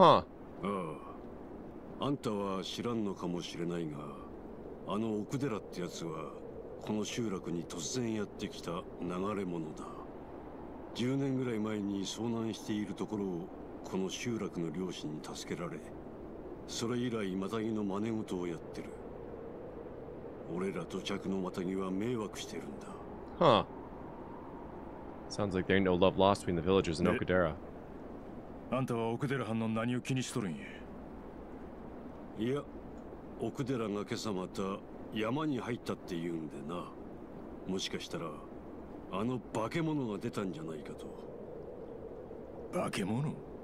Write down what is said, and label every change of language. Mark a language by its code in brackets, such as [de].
[ja] ああ、あんたは知らんのかもしれないが、あの奥寺ってやつは、この集落に突然やってきた流れ者だ。 10年ぐらい前に遭難しているところをこの集落の漁師に助けられ、それ以来マタギの真似事をやってる。俺ら土着のマタギは迷惑してるんだ。 [en] Huh. Sounds like there ain't no love lost between the villagers and Okudera. [ja] あんたは奥寺藩の何を気にしとるんや。いや、奥寺が今朝また山に入ったって言うんでな。もしかしたらあの化け物が出たんじゃないかと。化け物？